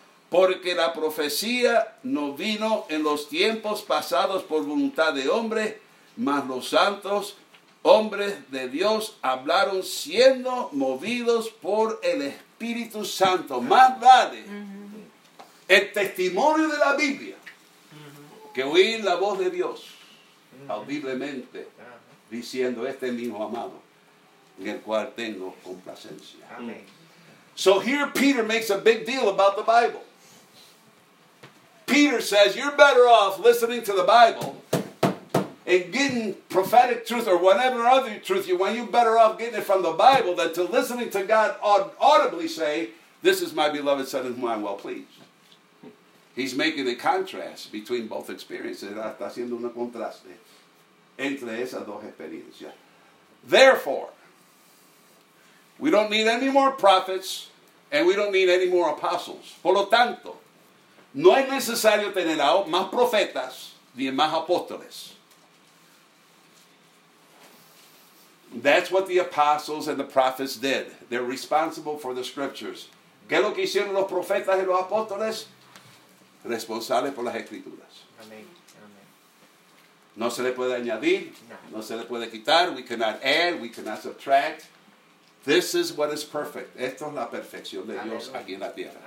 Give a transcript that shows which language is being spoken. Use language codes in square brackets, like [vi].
[es] Porque la profecía no vino en los tiempos pasados por voluntad de hombre, mas los santos hombres de Dios hablaron siendo movidos por el Espíritu Santo. Más vale el testimonio de la Biblia que oír la voz de Dios audiblemente diciendo: este mismo amado en el cual tengo complacencia. [en] So here Peter makes a big deal about the Bible. Peter says you're better off listening to the Bible and getting prophetic truth or whatever other truth you want, you're better off getting it from the Bible than to listening to God audibly say, this is my beloved Son in whom I'm well pleased. He's making a contrast between both experiences. [es] Está haciendo un contraste entre esas dos experiencias. [en] Therefore, we don't need any more prophets and we don't need any more apostles. [es] Por lo tanto, no es necesario tener más profetas ni más apóstoles. [en] That's what the apostles and the prophets did. They're responsible for the scriptures. [es] ¿Qué es lo que hicieron los profetas y los apóstoles? Responsables por las escrituras. Amén. No se le puede añadir. No se le puede quitar. [en] We cannot add. We cannot subtract. This is what is perfect. [es] Esto es la perfección de Dios aquí en la tierra.